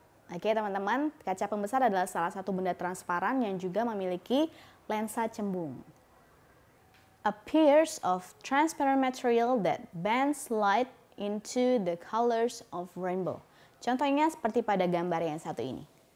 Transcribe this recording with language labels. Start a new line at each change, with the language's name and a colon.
Indonesian: Oke teman-teman, kaca pembesar adalah salah satu benda transparan yang juga memiliki lensa cembung.
English: A piece of transparent material that bends light into the colors of rainbow.
Indonesian: Contohnya seperti pada gambar yang satu ini.